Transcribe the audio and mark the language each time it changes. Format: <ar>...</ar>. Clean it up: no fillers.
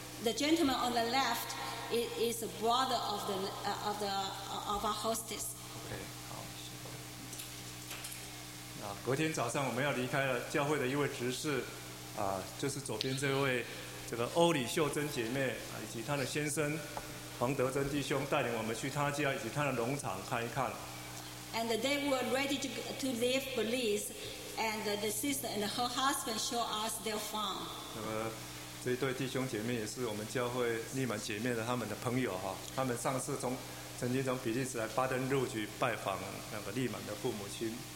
<en>The gentleman on the left is a brother of the of the of our hostess.</en> <zh>Okay, 好。隔天早上我们要离开了，教会的一位执事， 就是左边这位这个欧里秀珍姐妹，以及她的先生黄德珍弟兄带领我们去她家以及她的农场看一看。</zh> <en>And they were ready to leave Belize, and the sister and her husband showed us their farm.</en> <zh>这一对弟兄姐妹也是我们教会利满姐妹的他们的朋友哈，他们上次曾经从比利时来巴登入去拜访那个利满的父母亲。</zh>